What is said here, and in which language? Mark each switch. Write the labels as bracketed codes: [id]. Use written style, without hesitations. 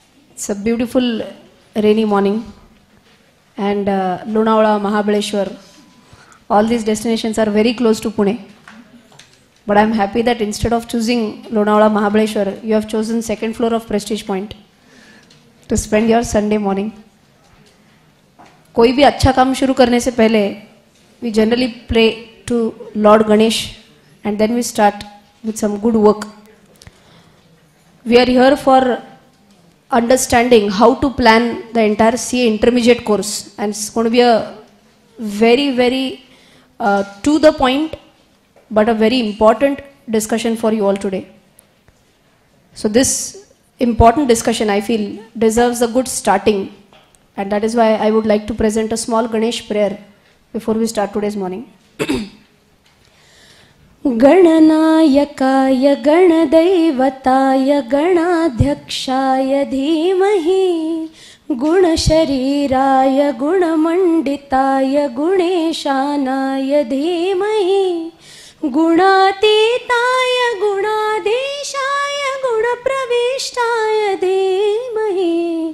[en] It's a beautiful rainy morning and Lonavala, Mahabaleshwar, all these destinations are very close to Pune. But I'm happy that instead of choosing Lonavala, Mahabaleshwar, you have chosen second floor of Prestige Point to spend your Sunday morning. [hi] कोई भी अच्छा काम शुरू करने से पहले [en] We generally pray to Lord Ganesh and then we start with some good work. We are here for understanding how to plan the entire CA intermediate course and it's going to be a very very to the point but a very important discussion for you all today. So this important discussion I feel deserves a good starting. And that is why I would like to present a small Ganesh prayer before we start today's morning. [sa] Gananayakaya Ganadaivataya Ganadhyakshaya Dhimahi Gunashariraya Gunamanditaya Guneshanaya Dhimahi Gunatitaya Gunadeshaya Gunapravishtaya Dhimahi